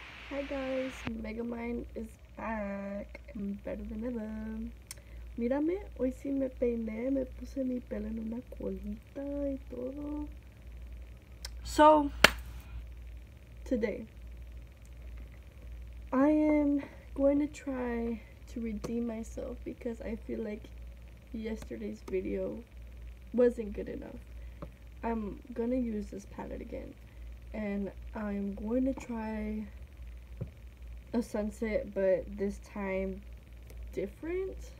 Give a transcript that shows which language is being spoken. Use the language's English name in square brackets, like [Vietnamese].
[English] Hi guys, Megamind is back and better than ever. [Spanish] Mírame, hoy sí me peiné, me puse mi pelo en una colita y todo. [English] So, today, I am going to try to redeem myself because I feel like yesterday's video wasn't good enough. I'm gonna use this palette again and I'm going to try a sunset, but this time different.